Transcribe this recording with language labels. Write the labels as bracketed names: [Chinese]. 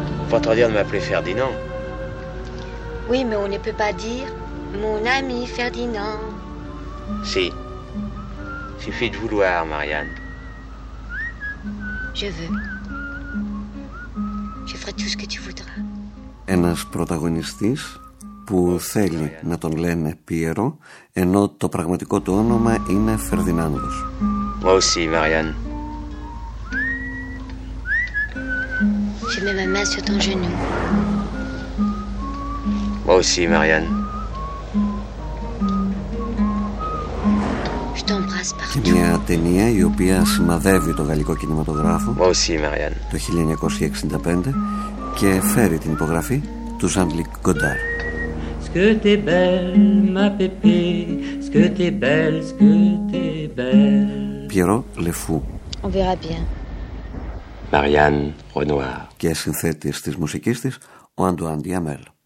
[French] Votre dire de m'appeler Ferdinand. Oui, mais on ne peut pas dire mon ami Ferdinand. Si. Suffit de vouloir, Marianne. Je veux. Je ferai tout ce que tu voudras. [Greek] Ένας πρωταγωνιστής που θέλει να τον λένε Πιέρο, ενώ το πραγματικό του όνομα είναι Φερδινάνδος. [French] Moi aussi, Marianne. Je mets ma main sur ton genou. Moi aussi, Marianne. Je t'embrasse partout. [Greek] Και μια ταινία η οποία σημαδεύει το γαλλικό κινηματογράφο. [French] Moi aussi, Marianne. [Greek] Το 1965 και φέρει την υπογραφή του Jean-Luc Godard. [French] Ce que t'es belle, ma pépé. Ce que t'es belle, ce que t'es belle. Piero Le Fou. On verra bien. Marianne Renoir. [Greek] Και συνθέτης της μουσικής της, ο Αντουάν Διαμέλ.